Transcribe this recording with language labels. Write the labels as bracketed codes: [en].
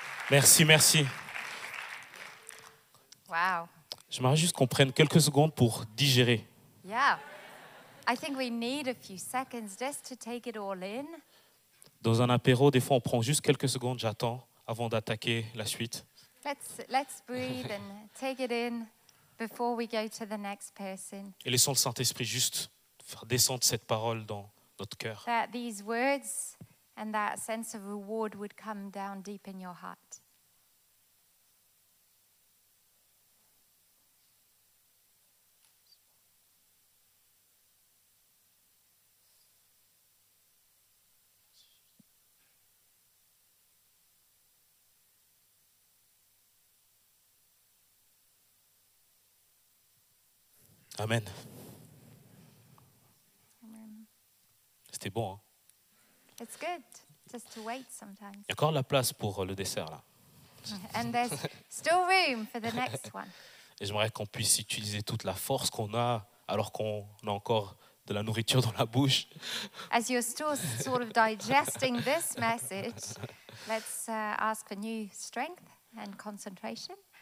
[fr] Merci, merci. Wow. J'aimerais juste qu'on prenne quelques secondes pour digérer. [en] Yeah. I think we need a few seconds just to take it all in. [fr] Dans un apéro, des fois, on prend juste quelques secondes, j'attends, avant d'attaquer la suite. [en] Let's breathe and take it in before we go to the next person. [fr] Et laissons le Saint-Esprit juste faire descendre cette parole dans notre cœur. [en] That these words and that sense of reward would come down deep in your heart. Amen. [fr] C'était bon, hein? [en] It's good, just to wait sometimes. [fr] Il y a encore la place pour le dessert, là. [en] And there's still room for the next one. [fr] Et j'aimerais qu'on puisse utiliser toute la force qu'on a, alors qu'on a encore de la nourriture dans la bouche. [en] As you're still sort of digesting this message, let's ask for new strength and concentration.